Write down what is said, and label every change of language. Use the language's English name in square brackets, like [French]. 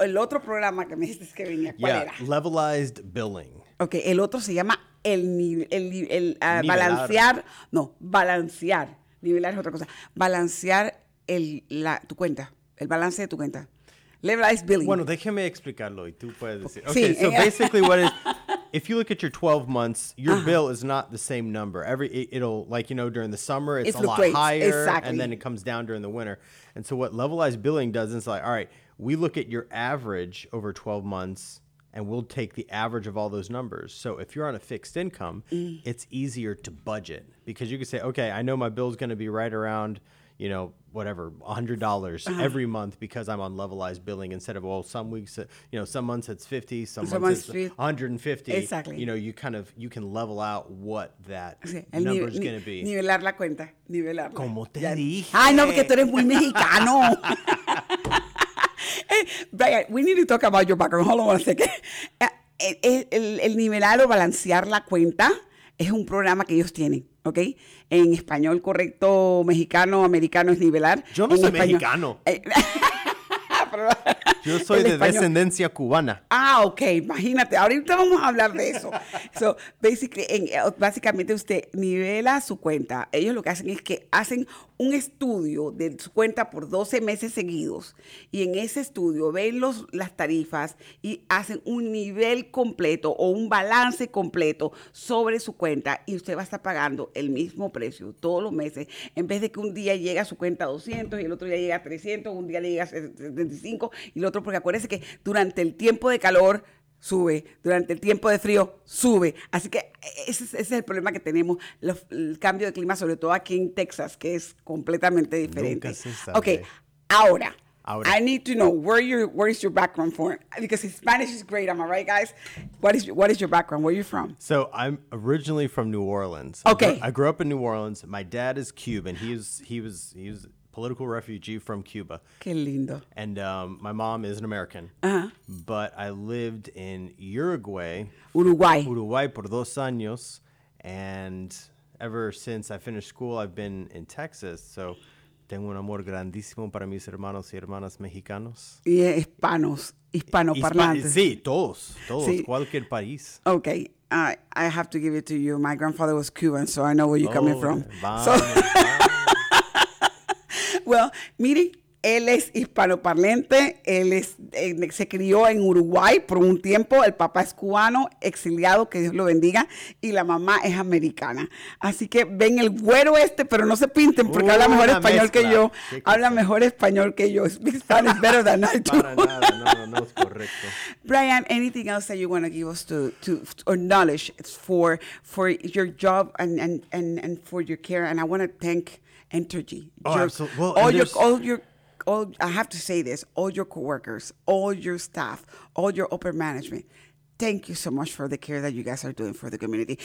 [Spanish] el otro programa que me dijiste que venía, ¿cuál era? [English] Levelized Billing. [Spanish] Ok, el otro se llama nivelar es otra cosa. Balancear tu cuenta, el balance de tu cuenta. [English] Levelized billing. [Spanish] Bueno, déjeme explicarlo y tú puedes decir. [English] Okay, sí. So basically what is, if you look at your 12 months, your bill is not the same number. During the summer, it's a lot higher. Exactly. And then it comes down during the winter. And so what levelized billing does is it's like, all right, we look at your average over 12 months and we'll take the average of all those numbers. So if you're on a fixed income, it's easier to budget because you can say, okay, I know my bill is going to be right around, you know, whatever, $100 every month because I'm on levelized billing instead of, some months it's 50, some months it's 150. Exactly. You know, you can level out what that number is going to be. [Spanish] Nivelar la cuenta. Nivelar. Como te ya dije. Ay, no, porque tú eres muy mexicano. [English] Brian, we need to talk about your background. Hold on one second. [Spanish] El nivelar o balancear la cuenta es un programa que ellos tienen. ¿Ok? En español correcto, mexicano, americano, es nivelar. Yo no en soy español. Mexicano. Yo soy de descendencia cubana. Ah, ok. Imagínate. Ahorita vamos a hablar de eso. So, básicamente usted nivela su cuenta. Ellos lo que hacen es que hacen un estudio de su cuenta por 12 meses seguidos. Y en ese estudio ven las tarifas y hacen un nivel completo o un balance completo sobre su cuenta. Y usted va a estar pagando el mismo precio todos los meses. En vez de que un día llega a su cuenta 200 y el otro día llega a 300, un día le llega a 75 y el otro. Porque acuérdese que durante el tiempo de calor sube, durante el tiempo de frío sube. Así que ese es el problema que tenemos, el cambio de clima, sobre todo aquí en Texas, que es completamente diferente. Nunca se sabe. [English] Ok, ahora, I need to know where is your background from? Because Spanish is great, am I right, guys? What is your background? Where are you from? So I'm originally from New Orleans. Okay. I grew up in New Orleans. My dad is Cuban. He was political refugee from Cuba. [Spanish] Qué lindo. [English] And my mom is an American. Uh-huh. But I lived in Uruguay. Uruguay. [Spanish] Uruguay por dos años. [English] And ever since I finished school, I've been in Texas. [Spanish] So tengo un amor grandísimo para mis hermanos y hermanas mexicanos. Y hispanos, hispanoparlantes. Sí, todos, sí. Cualquier país. [English] Okay, I have to give it to you. My grandfather was Cuban, so I know where you're coming from. [Spanish] Vamos, [English] so, Well, [Spanish] mire, él es hispanoparlante, se crió en Uruguay por un tiempo, el papá es cubano, exiliado, que Dios lo bendiga, y la mamá es americana. Así que ven el güero este, pero no se pinten porque habla mejor español que yo. [English] Mi Spanish better than I do. [Spanish] Para nada, no es correcto. [English] Brian, anything else that you want to give us to knowledge for your job and for your care, and I want to thank Entergy. Oh, absolutely. Well, all your all, I have to say this, all your coworkers, all your staff, all your upper management, thank you so much for the care that you guys are doing for the community.